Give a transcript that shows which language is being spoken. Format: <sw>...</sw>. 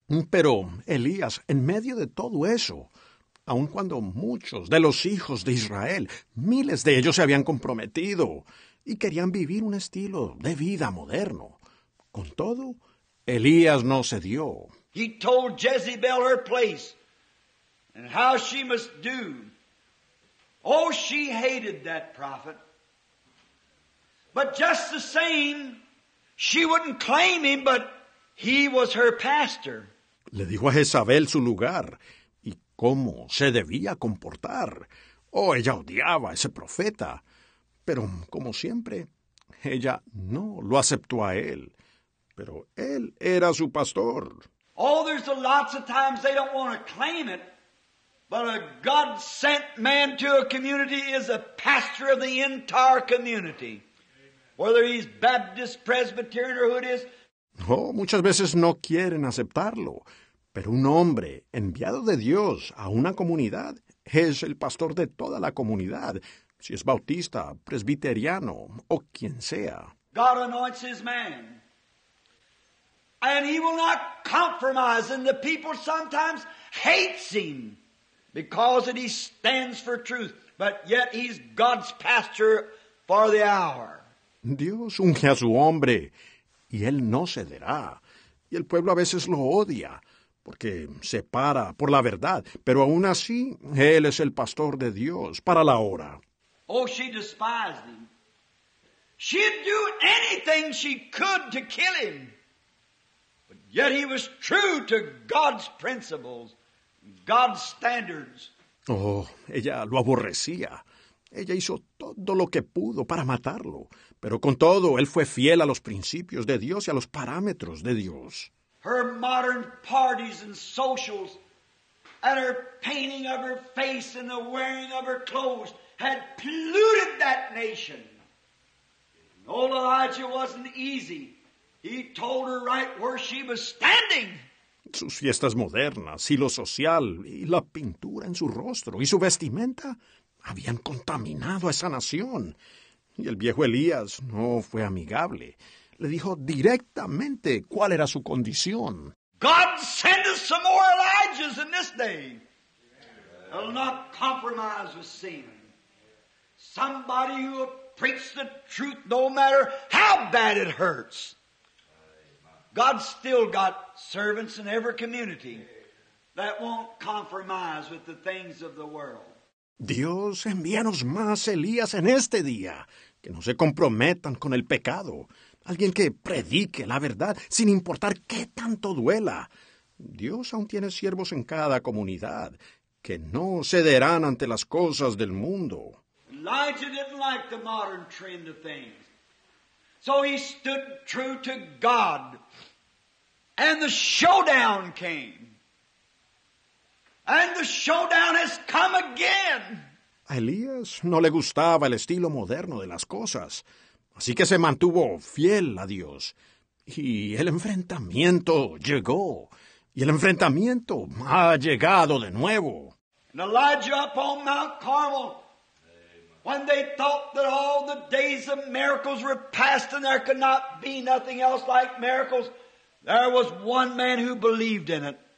<es>Pero Elías, en medio de todo eso, aun cuando muchos de los hijos de Israel, miles de ellos se habían comprometido y querían vivir un estilo de vida moderno, con todo, Elías no cedió.</es> <en>He told Jezebel her place and how she must do. Oh, she hated that prophet. But just the same, she wouldn't claim him, but he was her pastor.</en> <es>Le dijo a Jezabel su lugar y cómo se debía comportar. Oh, ella odiaba a ese profeta, pero como siempre, ella no lo aceptó a él, pero él era su pastor.</es> <en>Oh, there's a lots of times they don't want to claim it, but a God-sent man to a community is a pastor of the entire community, whether he's Baptist, Presbyterian, or who it is.</en> <es>Oh, muchas veces no quieren aceptarlo, pero un hombre enviado de Dios a una comunidad es el pastor de toda la comunidad, si es bautista, presbiteriano o quien sea.</es> <en>God anoints his man. And he will not compromise, and the people sometimes hates him because he stands for truth, but yet he's God's pastor for the hour.</en> <es>Dios unge a su hombre, y él no cederá. Y el pueblo a veces lo odia, porque se para por la verdad. Pero aún así, él es el pastor de Dios para la hora.</es> <en>Oh, she despised him. She'd do anything she could to kill him. But yet he was true to God's principles, God's standards.</en> <es>Oh, ella lo aborrecía. Ella hizo todo lo que pudo para matarlo, pero con todo, él fue fiel a los principios de Dios y a los parámetros de Dios.</es> <en>Her modern parties and socials and her painting of her face and the wearing of her clothes had polluted that nation. And old Elijah wasn't easy. He told her right where she was standing.</en> <es>Sus fiestas modernas y lo social y la pintura en su rostro y su vestimenta habían contaminado a esa nación. Y el viejo Elías no fue amigable. Le dijo directamente cuál era su condición.</es> <en>God send us some more Elijahs in this day. They'll not compromise with sin. Somebody who will preach the truth no matter how bad it hurts. God's still got servants in every community that won't compromise with the things of the world.</en> <es>Dios, envíanos más Elías en este día, que no se comprometan con el pecado. Alguien que predique la verdad, sin importar qué tanto duela. Dios aún tiene siervos en cada comunidad, que no cederán ante las cosas del mundo.</es> <en>Elijah didn't like the modern trend of things. So he stood true to God. And the showdown came. And the showdown has come again.</en> <es>A Elías no le gustaba el estilo moderno de las cosas, así que se mantuvo fiel a Dios. Y el enfrentamiento llegó, y el enfrentamiento ha llegado de nuevo.</es> <en>And Elijah up on Mount Carmel, when they thought that all the days of miracles were past and there could not be nothing else like miracles, there was one man who believed in it.</en>